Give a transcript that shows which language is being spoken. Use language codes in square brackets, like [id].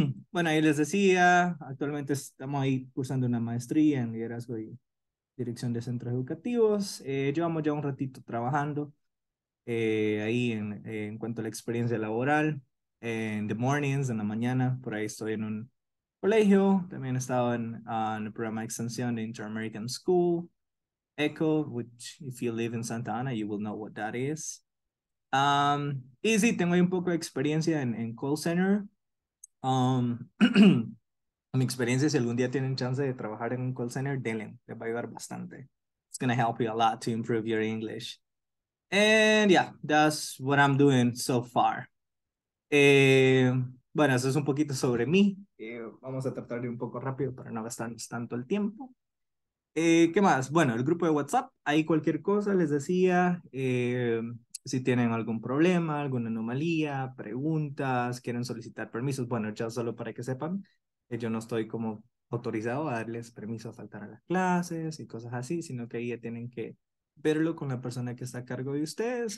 [es] Bueno, ahí les decía, actualmente estamos ahí cursando una maestría en liderazgo y dirección de centros educativos. Llevamos ya un ratito trabajando ahí en cuanto a la experiencia laboral, en [en] the mornings, [es] en la mañana, por ahí estoy en un colegio, también he estado en el programa de extensión de Inter-American School. [en] Echo, which if you live in Santa Ana, you will know what that is. [es] Y sí, tengo ahí un poco de experiencia en call center. mi experiencia, si algún día tienen chance de trabajar en un call center, denle, les va a ayudar bastante. [en] It's gonna help you a lot to improve your English. And yeah, that's what I'm doing so far. [es] Bueno, eso es un poquito sobre mí. Vamos a tratar de un poco rápido para no gastarnos tanto el tiempo. ¿Qué más? Bueno, el grupo de WhatsApp, ahí cualquier cosa, les decía, si tienen algún problema, alguna anomalía, preguntas, quieren solicitar permisos, bueno, ya solo para que sepan, yo no estoy como autorizado a darles permiso a faltar a las clases y cosas así, sino que ahí ya tienen que verlo con la persona que está a cargo de ustedes.